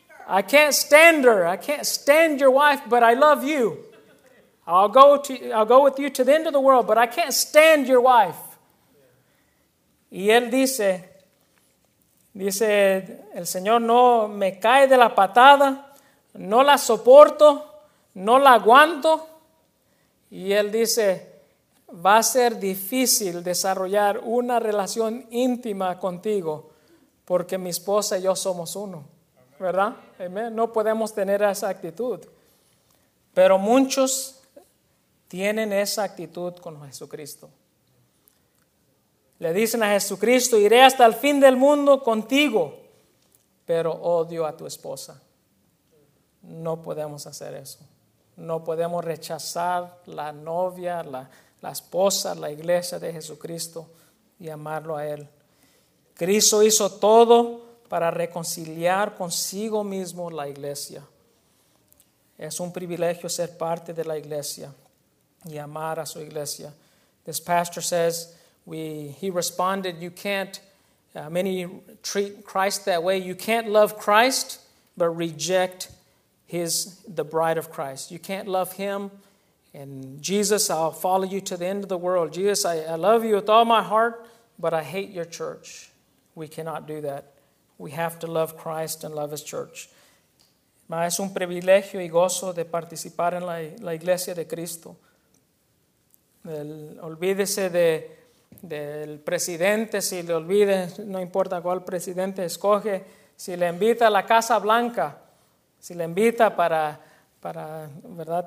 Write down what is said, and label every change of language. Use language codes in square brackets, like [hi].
[en] I can't stand her. I can't stand your wife, but I love you. I'll go with you to the end of the world, but I can't stand your wife. [es] Y él dice, Dice, el Señor no me cae de la patada, no la soporto, no la aguanto. Y él dice, va a ser difícil desarrollar una relación íntima contigo, porque mi esposa y yo somos uno. ¿Verdad? Amen. No podemos tener esa actitud. Pero muchos tienen esa actitud con Jesucristo. Le dicen a Jesucristo, iré hasta el fin del mundo contigo, pero odio a tu esposa. No podemos hacer eso. No podemos rechazar la novia, la esposa, la iglesia de Jesucristo y amarlo a él. Cristo hizo todo para reconciliar consigo mismo la iglesia. Es un privilegio ser parte de la iglesia y amar a su iglesia. [en] This pastor says, he responded, you can't, many treat Christ that way. You can't love Christ, but reject the bride of Christ. You can't love him and Jesus, I'll follow you to the end of the world. Jesus, I love you with all my heart, but I hate your church. We cannot do that. We have to love Christ and love his church. [es] Es un privilegio y gozo de participar en la iglesia de Cristo. Olvídese del presidente, si le olvide, no importa cuál presidente escoge, si le invita a la Casa Blanca, si le invita para ¿verdad?